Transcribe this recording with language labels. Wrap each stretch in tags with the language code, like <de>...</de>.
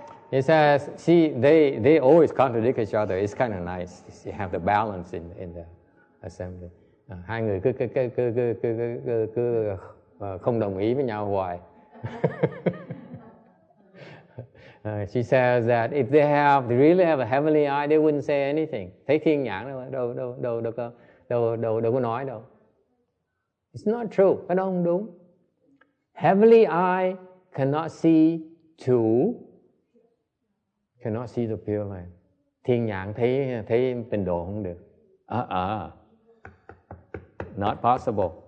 <en>He says, see, they always contradict each other. It's kind of nice. You have the balance in the assembly.</en> <vi>Hai người cứ không đồng ý với nhau hoài.</vi> <en>She says that if they have they really have a heavenly eye, they wouldn't say anything.</en> <vi>Thấy thiên nhãn đâu có nói đâu.</vi> <en>It's not true.</en> <vi>Cái đó không đúng.</vi> <en>Heavenly eye cannot see the pure land.</en> <vi>Thiên nhãn thấy tình độ không được.</vi> <en>Not possible.</en>